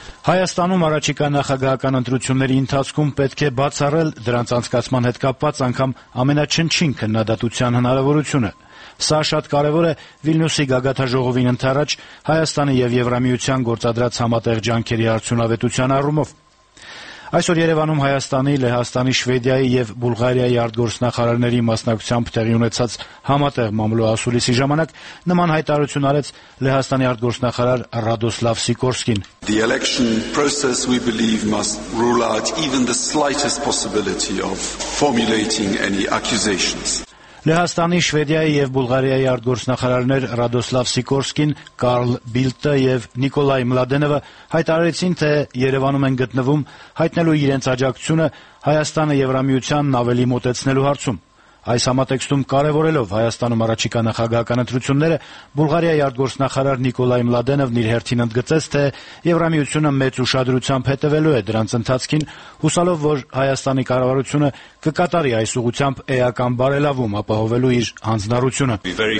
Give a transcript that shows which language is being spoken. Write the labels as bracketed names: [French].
[Armenian] Հայաստանում առաջիկա նախագահական ընտրությունների ընթացքում պետք է բացառել դրանց անցկացման հետ կապված անգամ ամենաչնչին քննադատության հնարավորությունը։ Սա շատ կարևոր է Վիլնյուսի գագաթաժողովին ընդառաջ Հայաստանի եւ Եվրամիության գործադրած համատեղ ջանքերի արդյունավետության առումով։ Այսօր Երևանում Հայաստանի, Լեհաստանի, Շվեդիայի եւ Բուլղարիայի արտգործնախարարների մասնակցությամբ տեղի ունեցած համատեղ մամլոասուլիսի ժամանակ նման հայտարարություն արեց Լեհաստանի արտգործնախարար Ռադոսլավ Սիկորսկին։ [English] The election process we believe must rule out even the slightest possibility of formulating any accusations. [Armenian] Լեհաստանի, Շվեդիայի եւ Բուլղարիայի արտգործնախարարներ Ռադոսլավ Սիկորսկին, Կարլ Բիլտը եւ Նիկոլայ Մլադենովը հայտարարեցին, թե Երևանում են գտնվում հայտնելու իրենց աջակցությունը Հայաստանը Եվրամիությանն ավելի մոտեցնելու հարցում։ Այս համատեքստում կարևորելով Հայաստանում առաջիկա նախագահական ընտրությունները, Բուլղարիայի արտգործնախարար Նիկոլայ Մլադենովն իր հերթին ընդգծեց, թե Եվրամիությունը մեծ ուշադրությամբ հետևելու է դրանց ընթացքին, հուսալով, որ Հայաստանի կառավարությունը կկատարի այս ուղությամբ էական բարելավում, ապահովելու իր